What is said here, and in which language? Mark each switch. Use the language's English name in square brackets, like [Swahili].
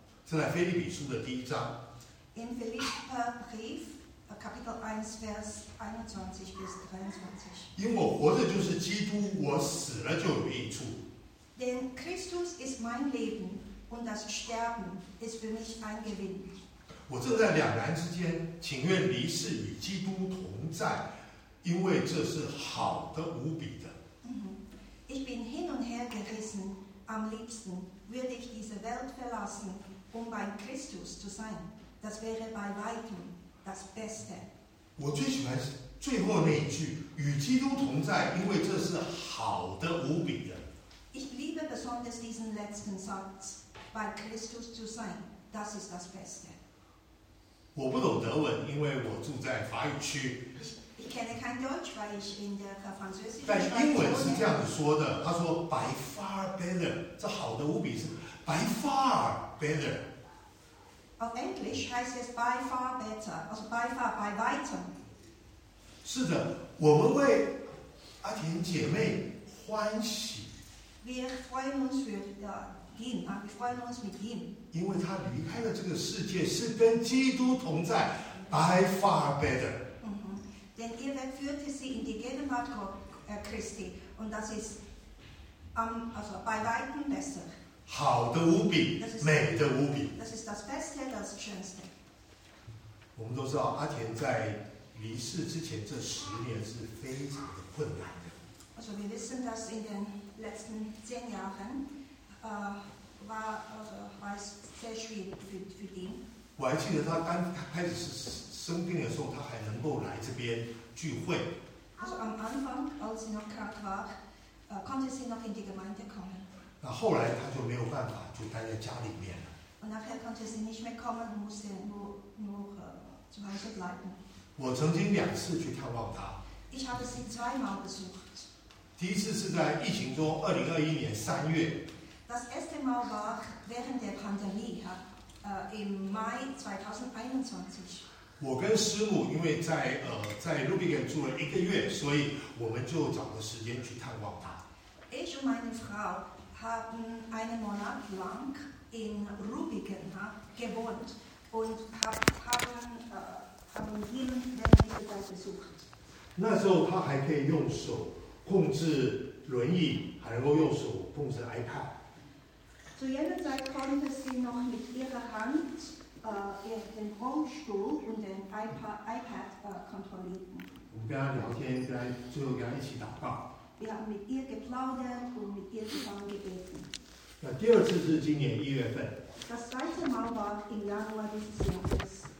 [Chinese] 是在腓立比书的第一章。 [German] In Philippa Brief, Kapitel 1, Vers 21 bis 23. [Chinese] 因为我活着就是基督，我死了就有益处。 [German] Denn Christus ist mein Leben und das Sterben ist für mich ein Gewinn. [Chinese] 我正在两难之间，情愿离世与基督同在，因为这是好的无比的。 [German] Ich bin hin und her gerissen, am liebsten würde ich diese Welt verlassen, um bei Christus zu sein. Das wäre bei weitem das Beste. [Chinese] 我最喜欢最后那一句，与基督同在，因为这是好的无比的。 [German] Ich liebe besonders diesen letzten Satz, bei Christus zu sein, das ist das Beste. [Chinese] 我不懂德文，因为我住在法语区。 [German] Ich kenne kein Deutsch, weil ich in der Französischen Sprache wohne. [Chinese] 但英文是这样子说的，他说 [English] by far better, [Chinese] 这好的无比是 by far better. [German] Auf Englisch heißt es [English] by far better, [German] also by far, by weitem. [Chinese] 是的，我们为阿婷姐妹欢喜。 [German] Wir freuen uns für ihn, wir freuen uns mit ihm. [Chinese] 因为他离开了这个世界，是跟基督同在 ， [English] by far better. [German] Denn er führte sie in die Gegenwart Christi, und das ist also bei weitem besser. [Chinese] 好的无比，美的无比。 [German] Das ist das Beste, das Schönste. [Chinese] 我们都知道阿田在离世之前这十年是非常的困难。 [German] Also wir wissen, dass in den letzten 10 Jahren war es sehr schwierig für ihn. [Chinese] 我还记得他刚开始是生病的时候，他还能够来这边聚会。 [German] Also am Anfang, als sie noch krank war, konnte sie noch in die Gemeinde kommen. [Chinese] 那后来他就没有办法，就待在家里面了。 [German] Und nachher konnte sie nicht mehr kommen, musste nur zu Hause bleiben. [Chinese] 我曾经两次去探望他。 [German] Ich habe sie zweimal besucht. [Chinese] 第一次是在疫情中，2021年3月。 [German] Das erste Mal war während der Pandemie, im Mai 2021. [Chinese] 我跟师母因为在 Lübeck 住了一个月，所以我们就找个时间去探望他。 [German] Ich und meine Frau haben einen Monat lang in Lübeck gewohnt und haben ihn regelmäßig besucht. [Chinese] 那时候他还可以用手。控制轮椅，还能够用手控制 iPad。 [German] Zu jener Zeit konnte sie noch mit ihrer Hand den Rollstuhl und den iPad kontrollieren. [Chinese] 我们跟他聊天，跟他最后跟他一起祷告。 [German] Wir haben mit ihr geplaudert und mit ihr zusammen gebeten. [Chinese] 那第二次是今年一月份。 [German] Das zweite Mal war im Januar dieses Jahres.